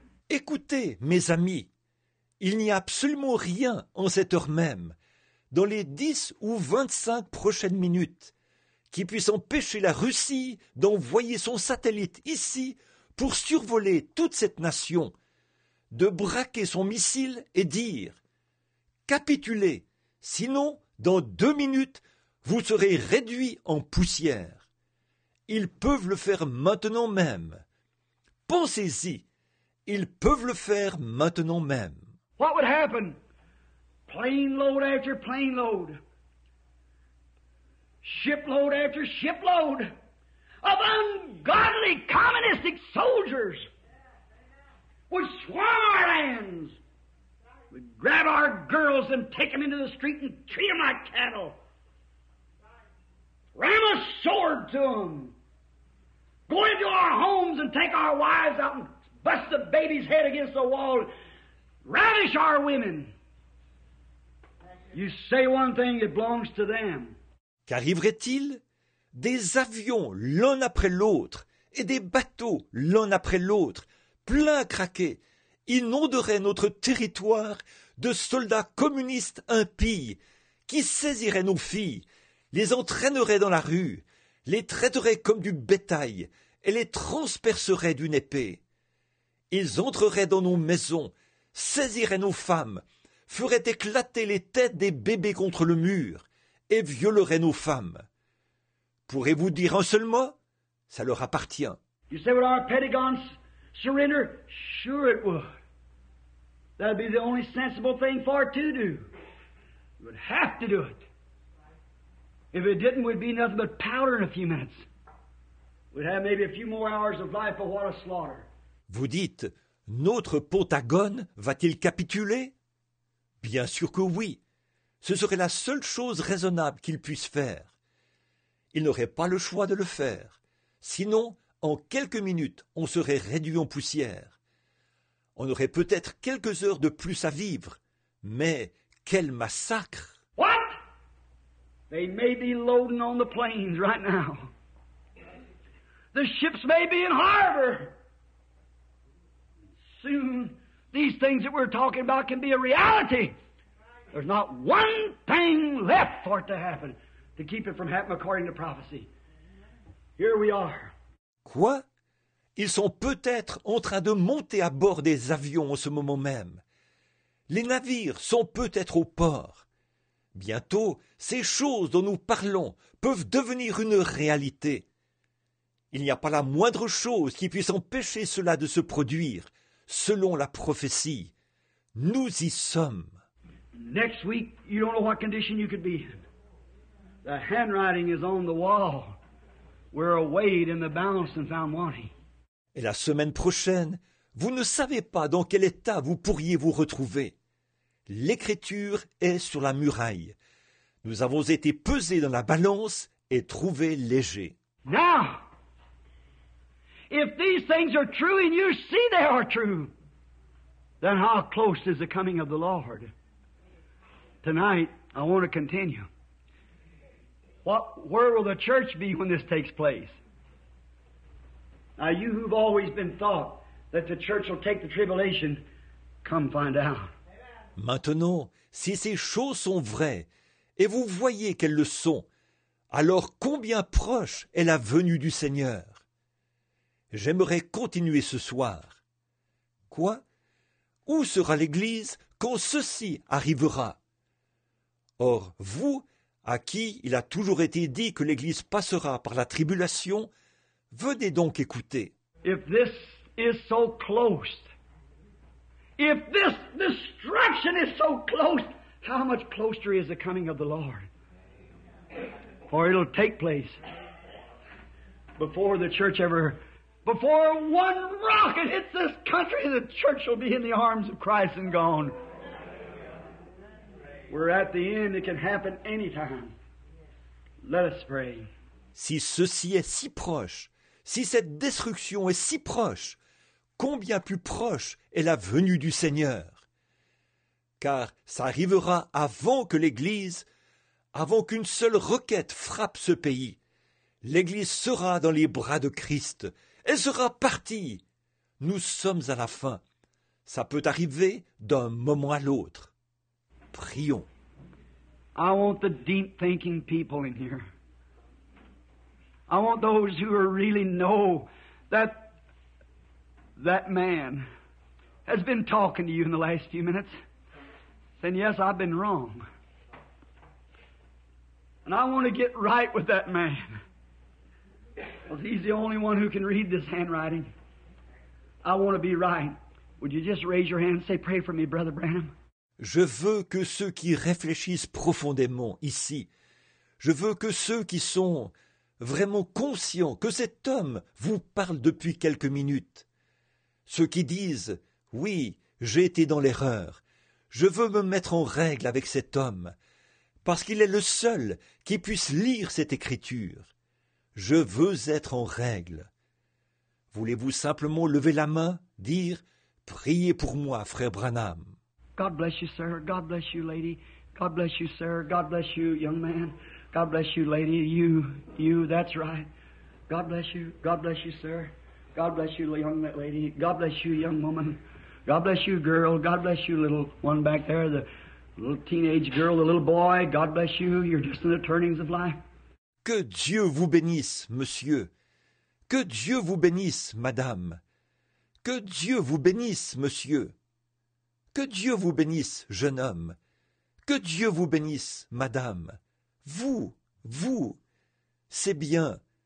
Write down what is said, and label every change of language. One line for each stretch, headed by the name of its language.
French: Écoutez, mes amis, il n'y a absolument rien en cette heure même, dans les 10 ou 25 prochaines minutes, qui puisse empêcher la Russie d'envoyer son satellite ici pour survoler toute cette nation, de braquer son missile et dire « Capitulez, sinon, dans 2 minutes, vous serez réduits en poussière. » Ils peuvent le faire maintenant même. Pensez-y, ils peuvent le faire maintenant même.
English: What would happen? Plane load after plane load. Shipload after shipload of ungodly communistic soldiers would swarm our lands. We'd grab our girls and take them into the street and treat them like cattle. Ram a sword to them. Go into our homes and take our wives out and bust the baby's head against the wall. Ravish our women. You say one thing, it belongs to them.
French: Qu'arriverait-il? Des avions l'un après l'autre et des bateaux l'un après l'autre, pleins à craquer, inonderaient notre territoire de soldats communistes impies qui saisiraient nos filles, les entraîneraient dans la rue, les traiteraient comme du bétail et les transperceraient d'une épée. Ils entreraient dans nos maisons, saisiraient nos femmes, ferait éclater les têtes des bébés contre le mur et violerait nos femmes. Pourrez-vous dire un seul mot? Ça leur appartient.
English: You say, would our Pentagon surrender? Sure it would. That'd be the only sensible thing for it to do. We would have to do it. If it didn't, we'd be nothing but powder in a few minutes. We'd have maybe a few more hours of life, but what a slaughter.
French: Vous dites, notre Pentagone va-t-il capituler? Bien sûr que oui. Ce serait la seule chose raisonnable qu'il puisse faire. Il n'aurait pas le choix de le faire. Sinon, en quelques minutes, on serait réduit en poussière. On aurait peut-être quelques heures de plus à vivre. Mais quel massacre!
English: What? They may be loading on the planes right now. The ships may be in harbor. Soon. These things that we're talking about can be a reality. There's not one thing left for it to happen, to keep it from happening according to prophecy. Here we are.
French: Quoi? Ils sont peut-être en train de monter à bord des avions en ce moment même. Les navires sont peut-être au port. Bientôt, ces choses dont nous parlons peuvent devenir une réalité. Il n'y a pas la moindre chose qui puisse empêcher cela de se produire. Selon la prophétie, nous y sommes.
English: Next week, you don't know what condition you could be in. The handwriting is on the wall. We're weighed in the balance and found wanting.
French: Et la semaine prochaine, vous ne savez pas dans quel état vous pourriez vous retrouver. L'écriture est sur la muraille. Nous avons été pesés dans la balance et trouvés légers.
English: Now, If these things are true, and you see they are true, then how close is the coming of the Lord? Tonight, I want to continue. Where will the church be when this takes place? Now, you who've always been taught that the church will take the tribulation, come find out.
French: Maintenant, si ces choses sont vraies, et vous voyez qu'elles le sont, alors combien proche est la venue du Seigneur? J'aimerais continuer ce soir. Quoi? Où sera l'Église quand ceci arrivera? Or, vous, à qui il a toujours été dit que l'Église passera par la tribulation, venez donc écouter.
English: If this is so close, if this destruction is so close, how much closer is the coming of the Lord? For it'll take place before the church ever, before one rocket hits this country, the church will be in the arms of Christ and gone. We're at the end. It can happen anytime. Let us pray.
French: Si ceci est si proche, si cette destruction est si proche, combien plus proche est la venue du Seigneur? Car ça arrivera avant que l'Église, avant qu'une seule requête frappe ce pays, l'Église sera dans les bras de Christ. Elle sera partie. Nous sommes à la fin. Ça peut arriver d'un moment à l'autre. Prions.
English: I want the deep thinking people in here. I want those who really know that that man has been talking to you in the last few minutes. Saying, yes, I've been wrong. And I want to get right with that man. Because he's the only one who can read this handwriting. I want to be right. Would you just raise your hand and say, pray for me, Brother Branham?
French: Je veux que ceux qui réfléchissent profondément ici, je veux que ceux qui sont vraiment conscients que cet homme vous parle depuis quelques minutes, ceux qui disent « Oui, j'ai été dans l'erreur, je veux me mettre en règle avec cet homme, parce qu'il est le seul qui puisse lire cette écriture. Je veux être en règle. » Voulez-vous simplement lever la main, dire « Priez pour moi, frère Branham. »
English: God bless you, sir. God bless you, lady. God bless you, sir. God bless you, young man. God bless you, lady. You, that's right. God bless you. God bless you, sir. God bless you, young lady. God bless you, young woman. God bless you, girl. God bless you, little one back there, the little teenage girl, the little boy. God bless you. You're just in the turnings of life.
French: Que Dieu vous bénisse, monsieur. Que Dieu vous bénisse, madame. Que Dieu vous bénisse, monsieur. Que Dieu vous bénisse, jeune homme. Que Dieu vous bénisse, madame. Vous, c'est bien.